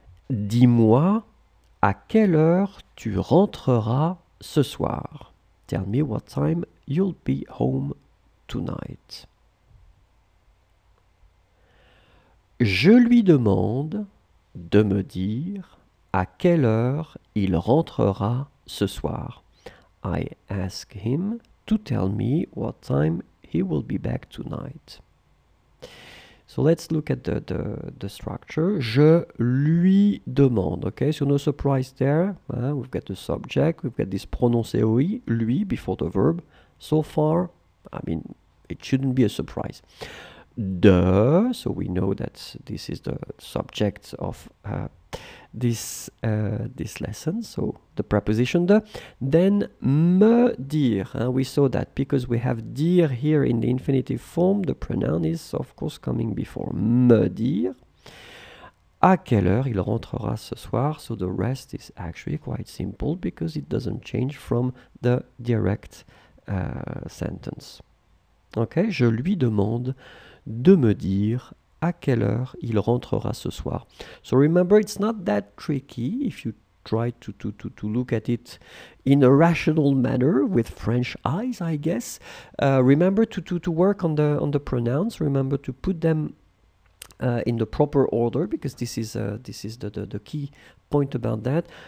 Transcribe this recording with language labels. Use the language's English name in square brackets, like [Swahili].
[French] Dis-moi à quelle heure tu rentreras ce soir. [English] Tell me what time you'll be home tonight. [French] Je lui demande de me dire à quelle heure il rentrera ce soir. [English] I ask him to tell me what time he will be back tonight. So let's look at the structure. [French] Je lui demande. [English] Okay, so no surprise there. We've got the subject. We've got this prononcé oui, lui, before the verb. So far, I mean, it shouldn't be a surprise. De, so we know that this is the subject of this lesson, so the preposition de. Then [French] me dire, [English] we saw that because we have dire here in the infinitive form, the pronoun is of course coming before me dire. [French] À quelle heure il rentrera ce soir, [English] so the rest is actually quite simple because it doesn't change from the direct sentence. [French] Okay, je lui demande de me dire à quelle heure il rentrera ce soir. [English] So remember, it's not that tricky if you try to look at it in a rational manner with French eyes, I guess. Remember to work on the pronouns. Remember to put them in the proper order, because this is the key point about that.